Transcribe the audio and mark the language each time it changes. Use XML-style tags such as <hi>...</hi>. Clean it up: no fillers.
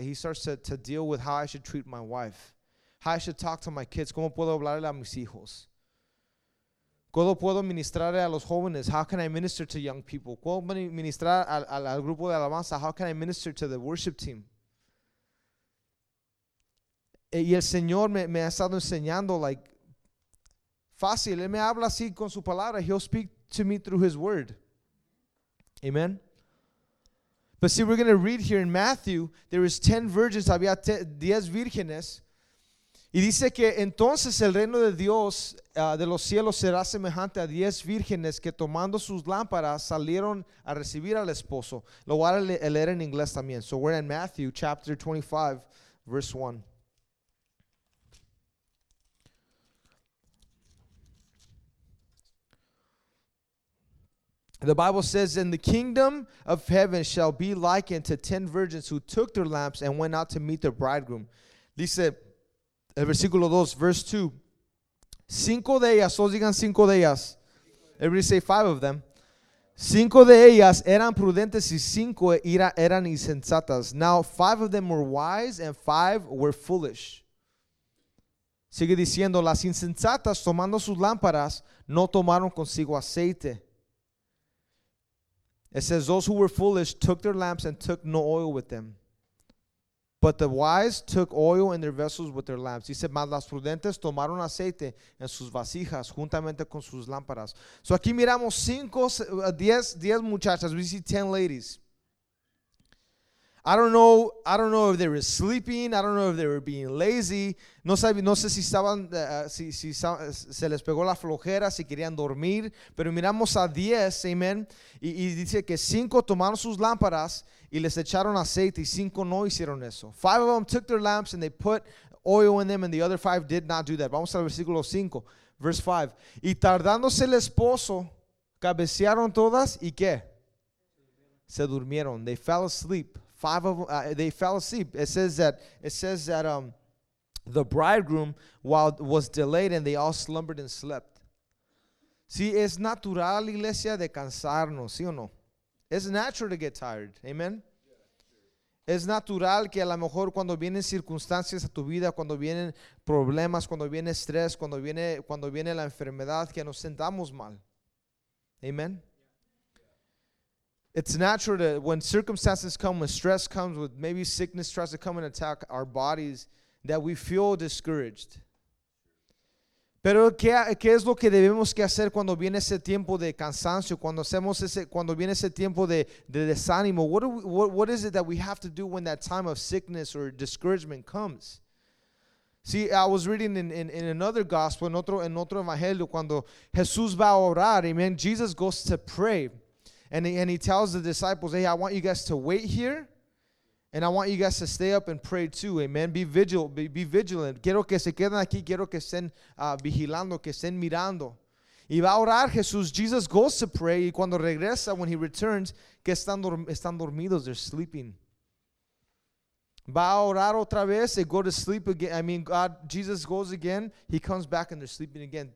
<en>He starts to deal with how I should treat my wife. How I should talk to my kids.</en> <es>¿Cómo puedo hablarle a mis hijos? ¿Cómo puedo ministrarle a los jóvenes?</es> <en>How can I minister to young people?</en> <es>¿Cómo puedo ministrar al grupo de alabanza?</es> <en>How can I minister to the worship team?</en> <es>Y el Señor me ha estado enseñando, like, fácil. Él me habla así con su palabra.</es> <en>He'll speak to me through his word.</en> <es>Amen.</es> <en>But see, we're going to read here in Matthew. There is 10 virgins.</en> <es>Había 10 vírgenes. Y dice que entonces el reino de Dios de los cielos será semejante a 10 vírgenes que tomando sus lámparas salieron a recibir al esposo. Lo voy a leer en inglés también.</es> <en>So we're in Matthew chapter 25, verse 1. The Bible says, "And the kingdom of heaven shall be likened to 10 virgins who took their lamps and went out to meet their bridegroom."</en> <es>Dice, el versículo 2, verse 2. Cinco de ellas, todos digan cinco de ellas.</es> <en>Everybody say five of them.</en> <es>Cinco de ellas eran prudentes y cinco eran insensatas.</es> <en>Now, five of them were wise and five were foolish.</en> <es>Sigue diciendo, las insensatas tomando sus lámparas no tomaron consigo aceite.</es> <en>It says, those who were foolish took their lamps and took no oil with them. But the wise took oil in their vessels with their lamps.</en> <es>Dice, mas las prudentes tomaron aceite en sus vasijas juntamente con sus lámparas. So aquí miramos diez muchachas.</es> <en>We see 10 ladies. I don't know if they were sleeping. I don't know if they were being lazy.</en> <es>No sé si estaban, se les pegó la flojera, si querían dormir. Pero miramos a 10, amen. Y dice que 5 tomaron sus lámparas y les echaron aceite y 5 no hicieron eso.</es> <en>5 of them took their lamps and they put oil in them and the other 5 did not do that.</en> <es>Vamos al versículo 5, verse 5. Y tardándose el esposo, cabecearon todas y ¿qué? Se durmieron.</es> <en>They fell asleep. They fell asleep. It says that the bridegroom was delayed and they all slumbered and slept.</en> <es>Sí, es natural, iglesia, de cansarnos, ¿sí o no?</es> <en>It's natural to get tired.</en> <es>Amen. Es natural que a lo mejor cuando vienen circunstancias a tu vida, cuando vienen problemas, cuando viene estrés, cuando viene la enfermedad, que nos sentamos mal. Amen.</es> <en>It's natural that when circumstances come, when stress comes, with maybe sickness tries to come and attack our bodies, that we feel discouraged.</en> <es>Pero ¿qué es lo que debemos que hacer cuando viene ese tiempo de cansancio, cuando viene ese tiempo de desánimo?</es> <en>What is it that we have to do when that time of sickness or discouragement comes? See, I was reading in another gospel,</en> <es>en otro evangelio, cuando Jesús va a orar, amen,</es> <en>Jesus goes to pray. And he tells the disciples, hey, I want you guys to wait here, and I want you guys to stay up and pray too, amen. Be vigilant.</en> <es>Quiero que se queden aquí, quiero que estén vigilando, que estén mirando. Y va a orar Jesús.</es> <en>Jesus goes to pray,</en> <es>y cuando regresa,</es> <en>when he returns,</en> <es>que están dormidos,</es> <en>they're sleeping.</en> <es>Va a orar otra vez,</es> <en>they go to sleep again. I mean, God, Jesus goes again, he comes back and they're sleeping again.</en>